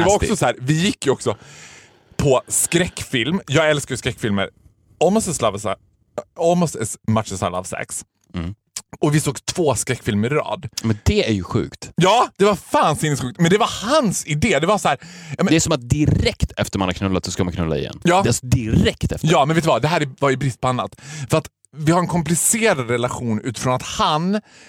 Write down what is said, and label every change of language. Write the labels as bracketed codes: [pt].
[sv] Det var också så här, vi gick ju också på skräckfilm. Jag älskar ju skräckfilmer. [en] Almost as much as I love sex. Mm. [sv] Och vi såg två skräckfilmer i rad. Men det är ju sjukt. Ja, det var fan sinnessjukt. Men det var hans idé. Det var så här, men... Det är som att direkt efter man har knullat så ska man knulla igen. Ja. Det är alltså direkt efter. Ja, men vet du vad? Det här var ju brist på annat. För att vi har en komplicerad relation utifrån att han...